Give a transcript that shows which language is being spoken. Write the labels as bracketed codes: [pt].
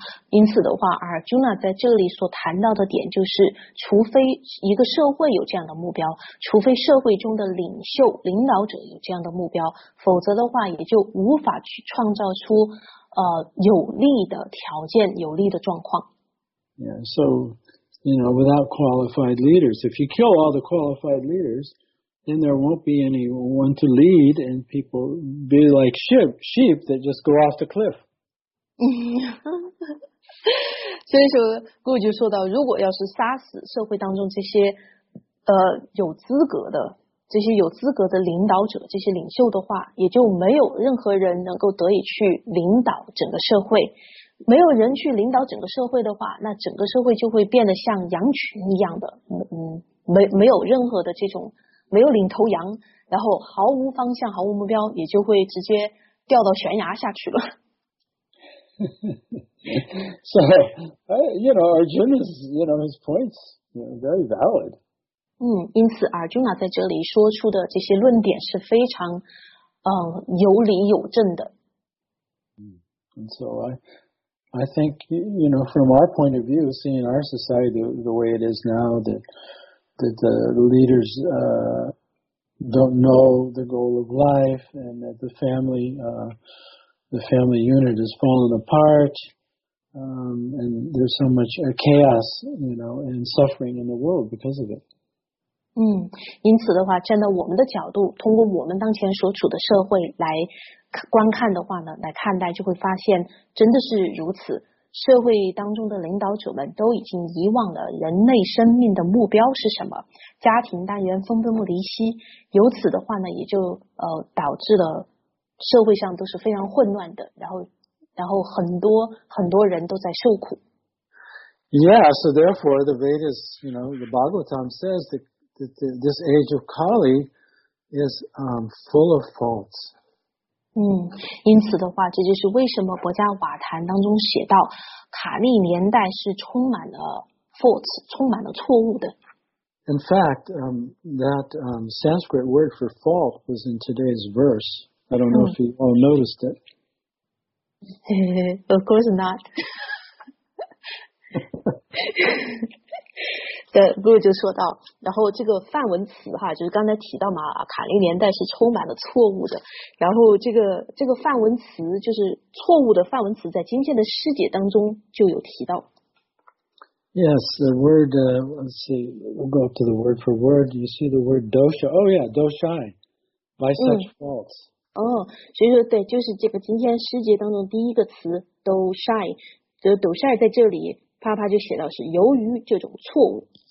[zh] 因此的话，Arjuna在这里所谈到的点就是，除非一个社会有这样的目标，除非社会中的领袖、领导者有这样的目标，否则的话也就无法去创造出有利的条件、有利的状况。 [en] Yeah, so you know, without qualified leaders. If you kill all the qualified leaders, then there won't be anyone to lead, and people be like sheep that just go off the cliff. [zh] 所以说，顾就说到，如果要是杀死社会当中这些有资格的这些有资格的领导者，这些领袖的话，也就没有任何人能够得以去领导整个社会。没有人去领导整个社会的话，那整个社会就会变得像羊群一样的，没有任何的这种没有领头羊，然后毫无方向、毫无目标，也就会直接掉到悬崖下去了。 [en] So, you know, Arjuna's, you know, his points, you know, very valid. [zh] 因此 Arjuna 在这里说出的这些论点是非常有理有证的。 [en] And so I think, you know, from our point of view, seeing our society the way it is now, that the leaders don't know the goal of life, and that the family unit has fallen apart, and there's so much chaos, you know, and suffering in the world because of it. [zh] 因此的话，站在我们的角度，通过我们当前所处的社会来观看的话呢，来看待，就会发现真的是如此。社会当中的领导者们都已经遗忘了人类生命的目标是什么，家庭单元分崩离析，由此的话呢，也就导致了社会上都是非常混乱的，然后很多很多人都在受苦。 [en] Yeah, so therefore the Vedas, you know, the Bhagavatam says that this age of Kali is full of faults. [zh] 因此的话，这就是为什么《薄伽瓦坛》当中写到，卡利年代是充满了 faults, 充满了错误的。 [en] In fact, that Sanskrit word for fault was in today's verse. I don't know if you all noticed it. Of course not. The guru [zh] 就说到，然后这个梵文词哈，就是刚才提到嘛，卡利年代是充满了错误的。然后这个梵文词就是错误的梵文词，在今天的师姐当中就有提到。 [en] Yes, the word. Let's see. We'll go up to the word for word. You see the word dosha. Oh yeah, doshai. By such faults. [zh] 所以说对，就是这个今天诗节当中第一个词 doshai, 这 doshai 在这里啪啪就写到是由于这种错误。